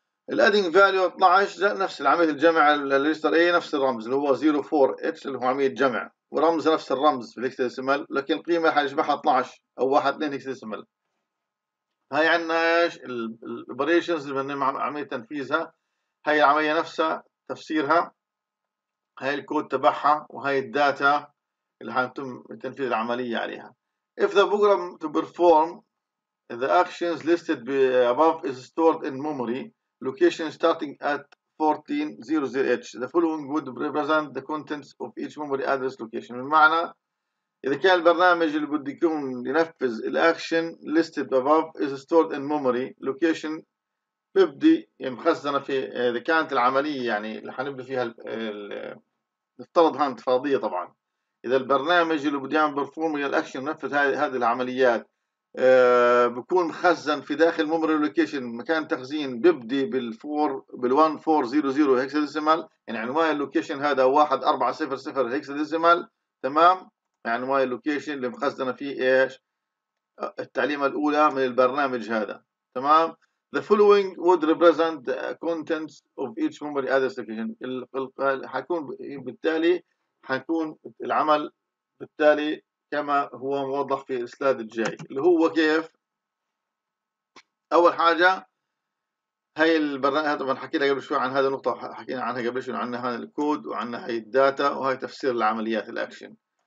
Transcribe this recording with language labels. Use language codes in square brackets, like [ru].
[ar] الادينج فاليو 12 نفس العمليه الجمع للريجستر اي نفس الرمز اللي هو 04 اتش اللي هو عمليه جمع ورمز نفس الرمز في الهكس ديسيمال لكن القيمه حنجمعها 12 او 1-2 هكس ديسيمال. هاي عندنا ايش الاوبريشنز اللي بنعمل عمليه تنفيذها، هاي العمليه نفسها تفسيرها، هاي الكود تبعها وهاي الداتا اللي حنتم تنفيذ العمليه عليها. [en] If the program to perform the actions listed above is stored in memory location starting at 14.00h. The following would represent the contents of each memory address location. [ar] بمعنى إذا كان البرنامج اللي بده يكون ينفذ الأكشن listed above is stored in memory location بيبدي مخزنة في إذا كانت العملية يعني اللي حنبدأ فيها نفترض هانت فرضية طبعا إذا البرنامج اللي بده يعمل performing الأكشن ينفذ هذه العمليات بكون مخزن في داخل memory location مكان تخزين بيبدي بالفور بالوان 400 هكس ديسيمال، يعني عنوان اللوكيشن هذا 1400 هكس ديسيمال. تمام، يعني عنوان اللوكيشن اللي مخزنه فيه ايش التعليمة الاولى من البرنامج هذا. [en] تمام، the following would represent the contents of each memory address location. [ar] حيكون بالتالي حيكون العمل بالتالي كما هو موضح في السلايد الجاي اللي هو كيف. اول حاجه هاي البرنامج طبعا حكينا قبل شوي عن هذه النقطه، حكينا عنها قبل شوي عن هذا الكود وعن هاي الداتا وهاي تفسير العمليات الاكشن.